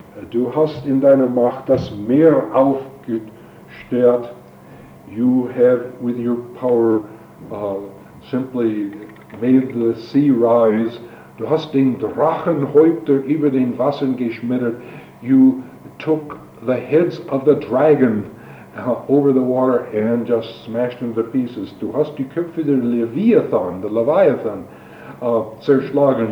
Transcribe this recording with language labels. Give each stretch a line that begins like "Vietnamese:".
German: Du hast in deiner Macht das Meer aufgestört.
English: You have, with your power, simply made the sea rise.
German: Du hast den Drachenhäupter über den Wassern geschmettert.
English: You took the heads of the dragon over the water and just smashed them to pieces.
German: Du hast die Köpfe der Leviathan,
English: the Leviathan,
German: zerschlagen.